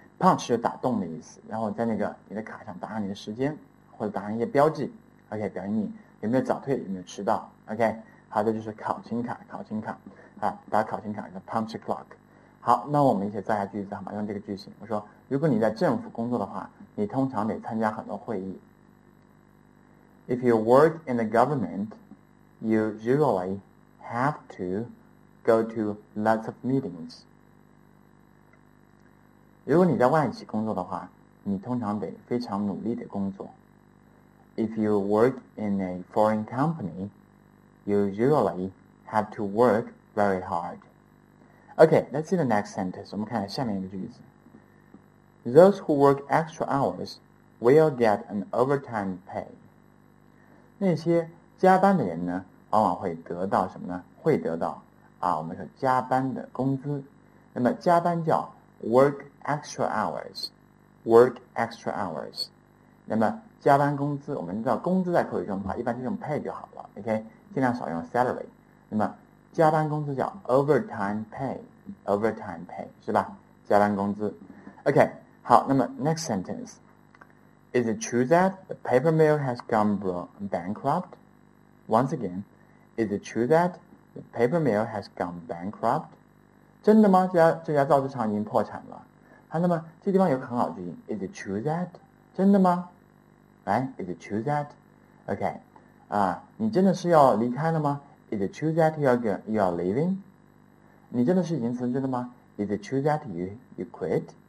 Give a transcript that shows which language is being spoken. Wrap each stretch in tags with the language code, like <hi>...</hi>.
<zh>Punch 就是打洞的意思，然后在那个你的卡上打上你的时间，或者打上一些标记 ，OK, 表示你有没有早退，有没有迟到 ，OK. 好的，就是考勤卡，考勤卡啊，打考勤卡叫</zh> <en>punch a clock.</en> <zh>好，那我们一起造下句子，好吗？用这个句型，我说，如果你在政府工作的话，你通常得参加很多会议。</zh> <en>If you work in the government, you usually have to go to lots of meetings.</en> <zh>如果你在外企工作的话，你通常得非常努力的工作。</zh> <en>If you work in a foreign company, you usually have to work very hard. Okay, let's see the next sentence.</en> <zh>我们看下面一个句子。</zh> <en>Those who work extra hours will get an overtime pay.</en> <zh>那些加班的人呢，往往会得到什么呢？会得到啊，我们说加班的工资。那么加班叫</zh> <en>work extra hours，work extra hours。</en> <zh>那么加班工资，我们知道工资在口语中的话，一般就用 pay 就好了 ，OK， 尽量少用 salary。那么加班工资叫</zh> <en>overtime pay，overtime pay</en> <zh>是吧？加班工资 ，OK。好，那么</zh> <en>next sentence， Is it true that the paper mill has gone bankrupt? Once again, is it true that the paper mill has gone bankrupt?</en> <zh>真的吗？这家造纸厂已经破产了。好，那么这地方有个很好的句型 ，</zh> <en>Is it true that？</en> <zh>真的吗 ？Right？ Is it true that？ OK， 啊、你真的是要离开了吗 ？</zh> <en>Is it true that you are leaving？</en> <zh>你真的是已经辞职了吗 ？</zh> <en>Is it true that you quit？</en>